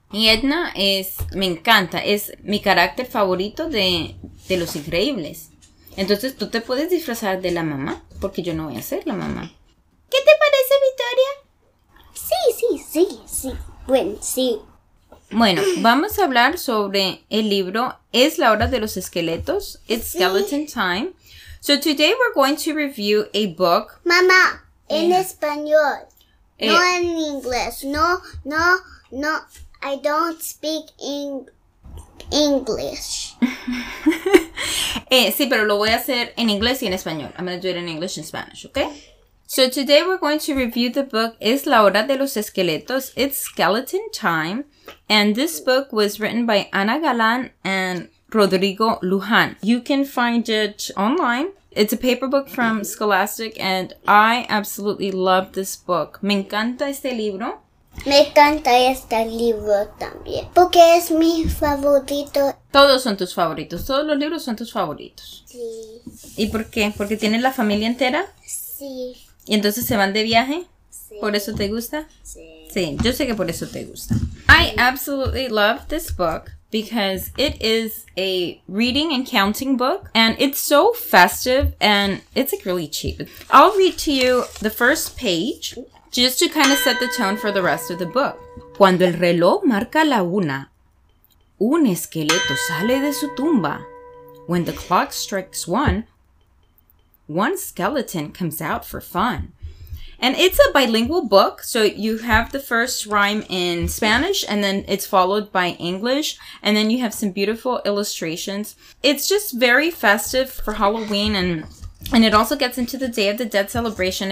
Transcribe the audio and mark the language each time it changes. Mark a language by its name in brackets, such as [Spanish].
[Spanish] Y Edna me encanta, es mi carácter favorito de Los Increíbles. Entonces, ¿tú te puedes disfrazar de la mamá? Porque yo no voy a ser la mamá. ¿Qué te parece, Victoria? Sí, sí, sí, sí. Bueno, sí. Bueno, vamos a hablar sobre el libro Es la Hora de los Esqueletos. [English] It's Skeleton Time. So today we're going to review a book. [Spanish] Mamá, en español. No en inglés. No. [English] I don't speak English. [Spanish] sí, pero lo voy a hacer en inglés y en español. [English] I'm going to do it in English and Spanish, okay? So today we're going to review the book Es la Hora de los Esqueletos. It's Skeleton Time. And this book was written by Ana Galán and Rodrigo Luján. You can find it online. It's a paper book from Scholastic, and I absolutely love this book. [Spanish] Me encanta este libro. Me encanta este libro también, porque es mi favorito. Todos son tus favoritos, todos los libros son tus favoritos. Sí. ¿Y por qué? ¿Porque tienes la familia entera? Sí. ¿Y entonces se van de viaje? Sí. ¿Por eso te gusta? Sí. Sí, yo sé que por eso te gusta. Sí. [English] I absolutely love this book. because it is a reading and counting book, and it's so festive, and it's like really cheap. I'll read to you the first page just to kind of set the tone for the rest of the book. [Spanish] Cuando el reloj marca la una, un esqueleto sale de su tumba. [English] When the clock strikes one, one skeleton comes out for fun. And it's a bilingual book, so you have the first rhyme in Spanish, and then it's followed by English, and then you have some beautiful illustrations. It's just very festive for Halloween, and it also gets into the Day of the Dead celebration.